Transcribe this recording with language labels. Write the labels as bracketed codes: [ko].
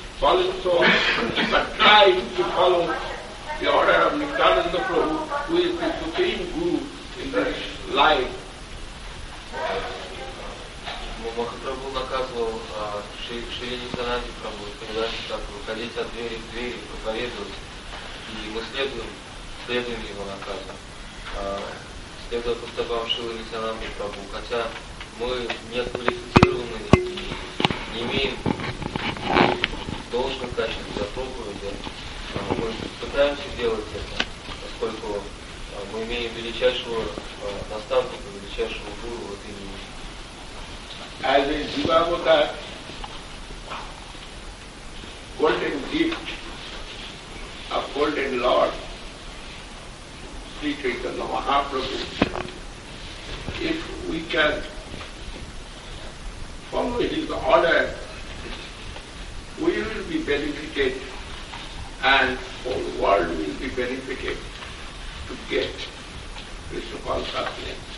[en] fallen souls are trying to follow the order of Nityananda Prabhu, who is the supreme guru in this life. [ru] Махапрабху наказывал Шри Нитянанде Прабху сказать, как выходить от двери к двери, проповедовать, и мы следуем его наказу, следуя поступкам Шри Нитянанде Прабху, хотя мы не квалифицированы и не имеем должных качеств для проповеди, мы пытаемся делать это, поскольку мы имеем величайшего наставника, величайшего гуру в этой мире. [en] As a Jiva Avatar, golden gift of golden Lord, Sri Chaitanya Mahaprabhu, if we can follow his order, we will be benefited and whole world will be benefited to get Krishna consciousness.